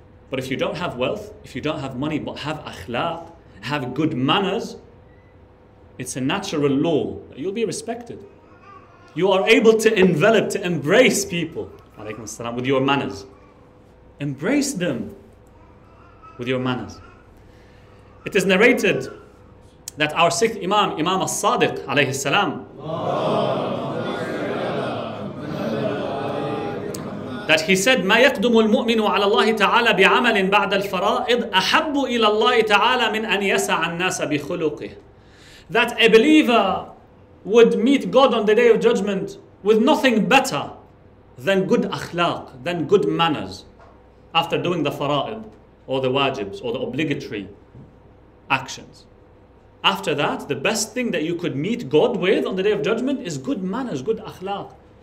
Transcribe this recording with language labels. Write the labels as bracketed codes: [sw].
[en] But if you don't have wealth, if you don't have money, but have akhlaq, have good manners, it's a natural law that you'll be respected. You are able to envelop, to embrace people, alaykum as-salam, with your manners. Embrace them with your manners. It is narrated that our sixth Imam, Imam As-Sadiq, alayhi salam, that he said, [ar] مَا يَقْدُمُ الْمُؤْمِنُ عَلَى اللَّهِ تَعَالَى بِعَمَلٍ بَعْدَ الْفَرَائِضِ أَحَبُّ إِلَى اللَّهِ تَعَالَى مِنْ أَنْ يَسَعَ النَّاسَ بِخُلُقِهِ. [en] That a believer would meet God on the Day of Judgment with nothing better than good akhlaq, than good manners, after doing the fara'id, or the wajibs, or the obligatory actions. After that, the best thing that you could meet God with on the Day of Judgment is good manners, good akhlaq.